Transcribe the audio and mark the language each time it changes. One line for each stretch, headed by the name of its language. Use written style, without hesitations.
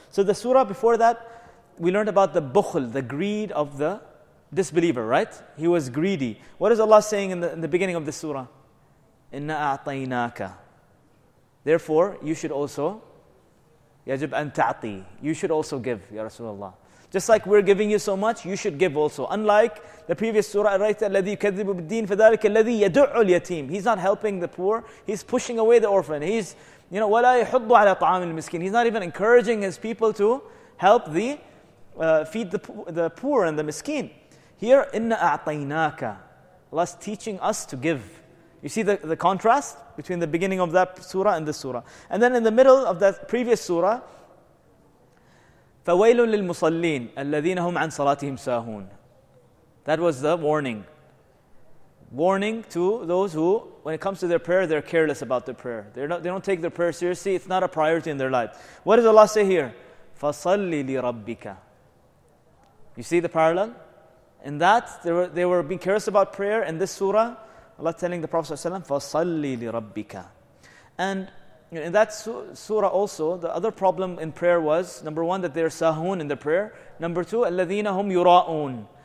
English: So the surah before that, we learned about the bukhl, the greed of the disbeliever, right? He was greedy. What is Allah saying in the beginning of the surah? Inna a'tainaka. Therefore, you should also, yajib an ta'ati, you should also give, Ya Rasulullah. Just like we're giving you so much, you should give also.
Arabic: Unlike the previous surah, al-raita, الَّذِي يُكَذِّبُ بِالدِّينِ فَذَلِكَ الَّذِي يَدُعُّ الْيَتِيمِ.
English: He's not helping the poor, he's pushing away the orphan.
Arabic: He's, you know, وَلَا يَحُضُّ عَلَى طَعَامِ الْمِسْكِينِ.
English: He's not even encouraging his people to help the, feed the poor and the miskeen. Here, إِنَّ أَعْطَيْنَاكَ. Allah's teaching us to give. You see the contrast between the beginning of that surah and this surah. And then in the middle of that previous surah, فَوَيْلٌ لِلْمُصَلِّينَ الَّذِينَ هُمْ عَنْ صَلَاتِهِمْ سَاهُونَ. That was the warning. Warning to those who, when it comes to their prayer, they're careless about their prayer. They don't take their prayer seriously. It's not a priority in their life. What does Allah say here? فَصَلِّ لِرَبِّكَ. You see the parallel? In that, they were being careless about prayer. In this surah, Allah telling the Prophet ﷺ, فَصَلِّ لِرَبِّكَ. And in that surah also, the other problem in prayer was, number one, that they're sahoon in the prayer.
Arabic: Number two, الَّذِينَ هُمْ يُرَاءُونَ.